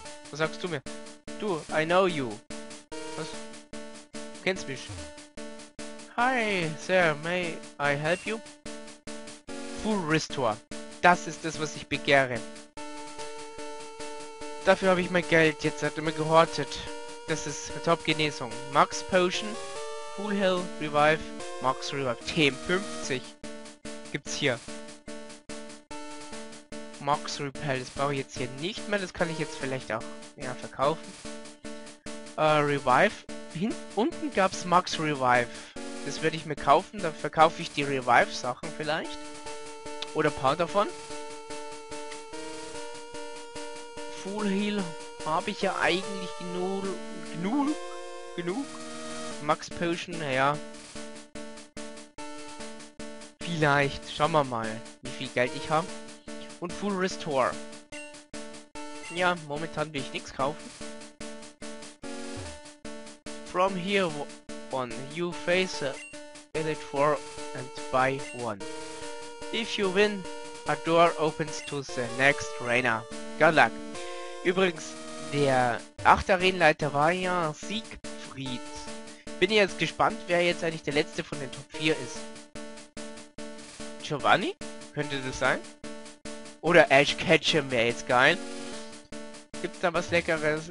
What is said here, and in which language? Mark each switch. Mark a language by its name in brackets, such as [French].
[German] Was sagst du mir? Du, [English] I know you. [German] Was? Du kennst mich. [English] Hi, sir, may I help you? Full Restore. [German] Das ist das, was ich begehre. Dafür habe ich mein Geld jetzt hat immer gehortet. Das ist Top Genesung. Max Potion, Full Hill Revive, Max Revive. TM50 gibt's hier. Max Repel, das brauche ich jetzt hier nicht mehr. Das kann ich jetzt vielleicht auch mehr verkaufen. Revive. Unten gab's Max Revive. Das werde ich mir kaufen. Dann verkaufe ich die Revive Sachen vielleicht. Oder ein paar davon. Full Heal habe ich ja eigentlich genug. Max Potion, naja. Vielleicht. Schauen wir mal, wie viel Geld ich habe. Und Full Restore. Ja, momentan will ich nichts kaufen. [English] From here on, you face Elite 4 and buy one. If you win, a door opens to the next trainer. Good luck. [German] Übrigens, der 8. Arenenleiter war ja Siegfried. Bin jetzt gespannt, wer jetzt eigentlich der letzte von den Top 4 ist. Giovanni? Könnte das sein? Oder Ash Ketchum wäre jetzt geil. Gibt's da was Leckeres?